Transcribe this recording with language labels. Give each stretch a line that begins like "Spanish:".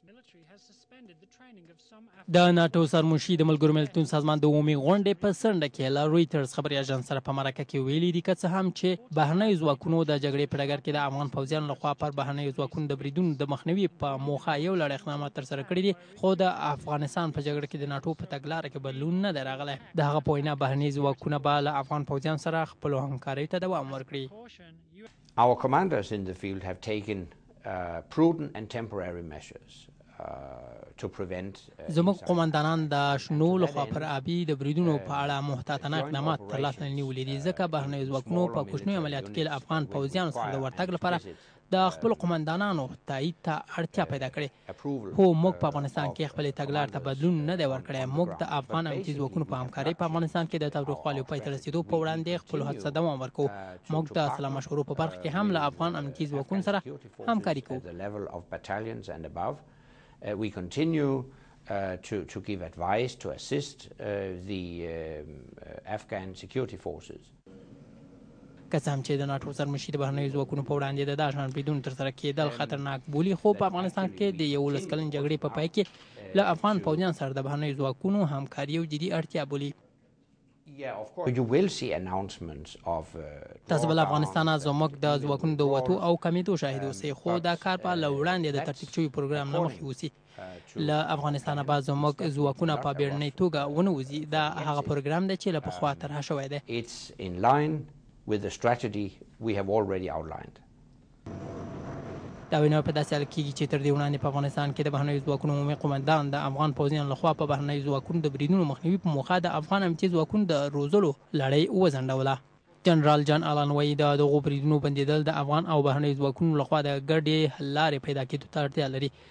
Pashto: د ناټو سرمنشي د ملګرو ملتونو سازمان د عمومي غونډې په څنډه کې له رویټرز خبري اژانس سره په مرکه کې ویلي دي، که څه هم چې بهرنیو ځواکونو د جګړې په ډګر کې د افغان پوځیانو لخوا پر بهرنیو ځواکونو د بریدونو د مخنیوي په موخه یو لړ اقدامات ترسره کړي دي، خو د افغانستان په جګړه کې د ناټو په تګلاره کې بدلون نه دی راغلی. د هغه په وینا بهرني ځواکونه به له افغان پوځیانو سره خپلو همکاریو ته دوام ورکړي.
English: Our commanders in the field have taken prudent and temporary measures.
Pashto: زموږ قومندانان د شنو لخوا پر آبي د بریدونو په اړه محتاطانه اقدامات ترلاسه نیولي دي، ځکه بهرنیو ځواکونو په کوچنیو عملیاتو کې له افغان پوځیانو څخه د ورتګ لپاره د خپلو قومندانانو تایید ته اړتیا پیدا کړې. هو، موږ په افغانستان کې خپلې تګلارې ته بدلون نه دی ورکړی. موږ د افغان امنیتي ځواکونو په همکارۍ په افغانستان کې د تاوتریخوالیو پای ته رسېدو په وړاندې خپلو هڅو ته دوام ورکوو. موږ د سلام مشورو په برخه کې هم له افغان امنیتي ځواکونو سره همکاري کوو.
English: We continue to give advice to assist the Afghan security forces.
Pashto: قسم چې د ناټو سرمنشي د بهرنیو ځواکونو په وړاندې د داشان بدون تر سره کېدل خطرناک بولي، خو په افغانستان کې د یو لس کلن جګړې په پای کې له افغان پوځیانو سره د بهرنیو ځواکونو همکاري یو جدي اړتیا بولي.
English: You will see announcements of
Pashto: تاسو بل افغانستان از موږ د ځواکونو د وټو او کمیټو شاهد اوسئ، خو دا کار په لوړاندې د ترتیب شوی پروګرام نه مخې اوسئ. له افغانستانه به زموږ ځواکونه په بیړنۍ توګه ونوځي. دا هغه پروګرام دی چې له پخوا طرح شوی دی.
English: It's in line with the strategy we have already outlined.
Pashto: دا وینه په داسې حال کې چې تر دې وړاندې په افغانستان کې د بهرنیو ځواکونو عمومي قومندان د افغان پوځیانو لخوا په بهرنیو ځواکونو د بریدونو مخنیوي په موخه د افغان امنیتي ځواکونو د روزلو لړۍ وځنډوله. جنرال جان آلان وایي د دغو بریدونو بندېدل د افغان او بهرنیو ځواکونو لخوا د ګډې حل لارې پیدا کېدو ته اړتیا لري.